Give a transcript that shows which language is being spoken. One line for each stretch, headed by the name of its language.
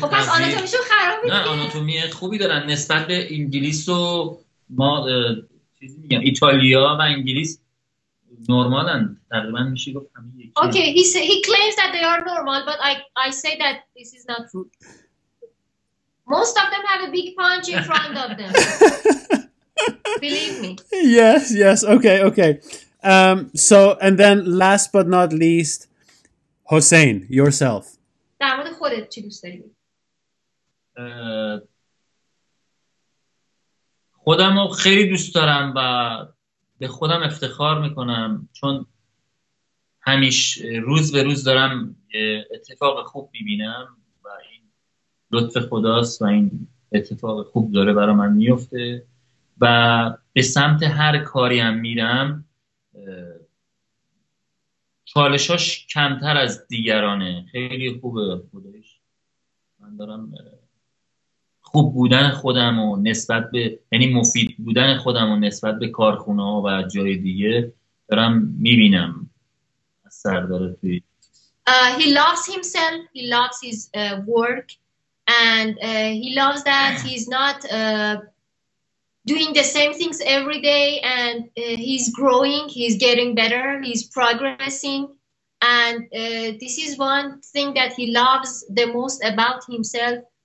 Persian: خب پس آناتومیشو خراب میکنه. نه آناتومی خوبی دارن نسبت به انگلیس و ما چیزی میگم ایتالیا و انگلیس نرمالن تقریبا میشه گفت همه یکی.
English: Okay, he claims that they are normal but I say that this is not true. Most of them have a big punch in front of them. Believe me. Yes. Okay. So, and then last but not least, Hossein, yourself.
Persian: در مورد خودت چی دوست داری؟ خودم رو خیلی دوست دارم و به خودم افتخار میکنم چون همیشه روز به روز دارم اتفاق خوب میبینم. لطف خداست و این اتفاق خوب داره برای من میفته و به سمت هر کاری هم میرم چالشاش کمتر از دیگرانه. خیلی خوبه خودش. من دارم خوب بودن خودم و نسبت به یعنی مفید بودن خودم و نسبت به کارخونه ها و جای دیگه دارم میبینم اثر داره توی
English: He loves himself. He loves his work. And he loves that he's not doing the same things every day and he's growing, he's getting better, he's progressing. And this is one thing that he loves the most about himself.